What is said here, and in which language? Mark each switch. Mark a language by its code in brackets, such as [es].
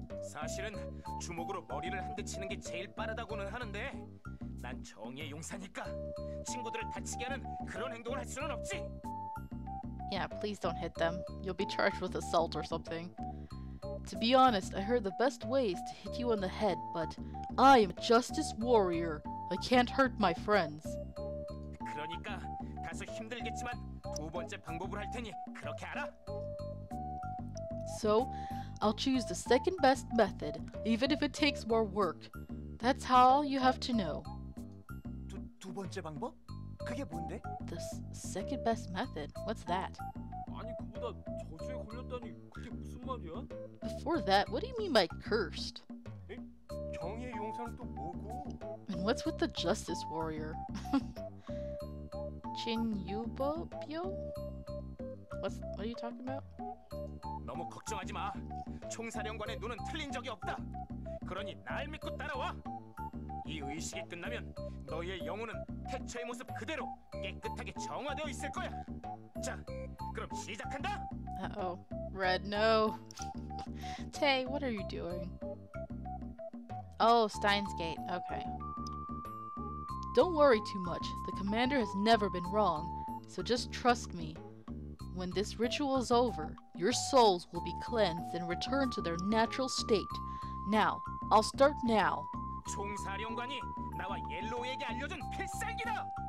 [ko] 사실은 주먹으로 머리를 한 대 치는 게 제일 빠르다고는 하는데 난 정의의 용사니까 친구들을 다치게 하는 그런 행동을 할 수는 없지. [en] Yeah, please don't hit them. You'll be charged with assault or something. To be honest, I heard the best way is to hit you on the head, but I am a justice warrior. I can't hurt my friends. [ko] 그러니까 다소 힘들겠지만 두 번째 방법을 할 테니 그렇게 알아? [en] So, I'll choose the second best method, even if it takes more work. That's all you have to know. [ko] 두 번째 방법? 그게 뭔데? [en] The second best method? What's that? [ko] 아니, 그보다 저주에 걸렸다니 그게 무슨 말이야? [en] Before that, what do you mean by cursed? [ko] 에? 정의의 용사는 또 뭐고? [en] And what's with the justice warrior? 진유보뼈? What are you talking about? [ko] 너무 걱정하지 마. 총사령관의 눈은 틀린 적이 없다. 그러니 날 믿고 따라와. 이 의식이 끝나면 너희의 영혼은 태초의 모습 그대로 깨끗하게 정화되어 있을 거야. 자, 그럼 시작한다. [en] Uh-oh. Red, no. Tay, what are you doing? Oh, Steins Gate. Okay. Don't worry too much. The commander has never been wrong. So just trust me. When this ritual is over, your souls will be cleansed and returned to their natural state. Now, I'll start now. [ko] 총사령관이 나와 옐로우에게 알려준 필살기다!